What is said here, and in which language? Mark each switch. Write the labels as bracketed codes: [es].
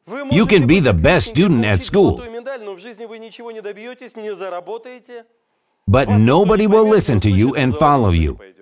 [en] You can be the best student at school. [ru] Но в жизни вы ничего не добьетесь, не заработаете. [en] But nobody will listen to you and follow you.